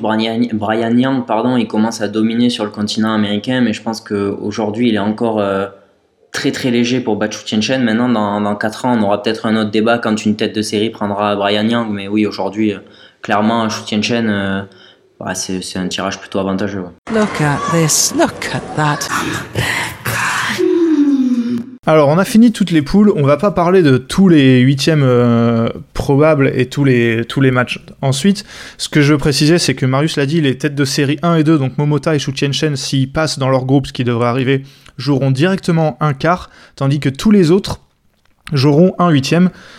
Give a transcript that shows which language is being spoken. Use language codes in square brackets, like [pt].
[fr] Brian Yang, pardon, il commence à dominer sur le continent américain, mais je pense qu'aujourd'hui, il est encore très très léger pour battre Shu Tianshen. Maintenant, dans 4 ans, on aura peut-être un autre débat quand une tête de série prendra Brian Yang. Mais oui, aujourd'hui, clairement, Shu Tianshen, c'est un tirage plutôt avantageux. Ouais. [en] Look at this, look at that. [fr] Alors, on a fini toutes les poules. On va pas parler de tous les 8e probables et tous les matchs. Ensuite, ce que je veux préciser, c'est que Marius l'a dit, les têtes de série 1 et 2, donc Momota et Shu Tianshen, s'ils passent dans leur groupe, ce qui devrait arriver, joueront directement un quart, tandis que tous les autres joueront un huitième.